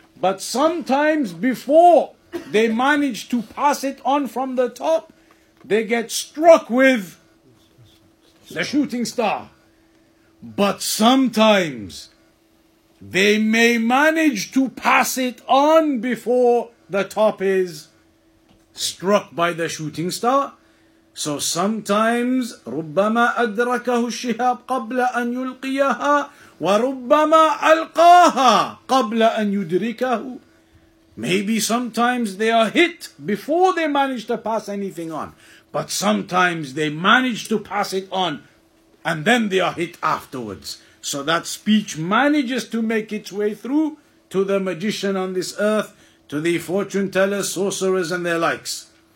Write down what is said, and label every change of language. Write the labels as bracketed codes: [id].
[en] But sometimes before they manage to pass it on from the top, they get struck with the shooting star. But sometimes they may manage to pass it on before the top is struck by the shooting star. So sometimes [ar] ربما أدركه الشهاب قبل أن يلقيها وربما ألقاها قبل أن يدركه. [en] Maybe sometimes they are hit before they manage to pass anything on. But sometimes they manage to pass it on and then they are hit afterwards. So that speech manages to make its way through to the magician on this earth, to the fortune tellers, sorcerers and their likes.